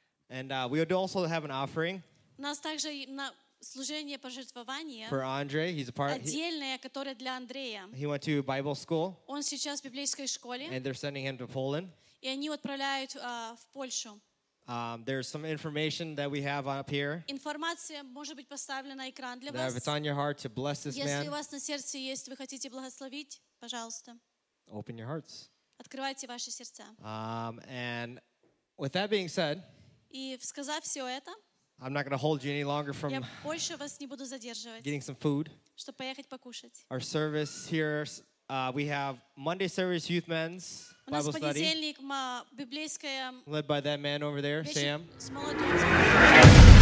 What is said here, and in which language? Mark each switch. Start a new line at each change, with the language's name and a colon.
English: And we would also have an offering.
Russian: Нас также на служение пожертвования.
English: For Andre, he's a part.
Russian: Отдельная, которая для Андрея.
English: He went to Bible school.
Russian: Он сейчас в библейской школе.
English: And they're sending him to Poland.
Russian: И они отправляют в Польшу.
English: There's some information that we have up here.
Russian: Информация может быть поставлена на экран для вас.
English: That if it's on your heart to bless this
Russian: если
English: man.
Russian: Если у вас на сердце есть, вы хотите благословить, пожалуйста.
English: Open your hearts.
Russian: Открывайте ваши сердца.
English: And with that being said.
Russian: И сказав все это.
English: I'm not going to hold you any longer from getting some food. Our service here, we have Monday service youth men's Bible study, led by that man over there, Sam.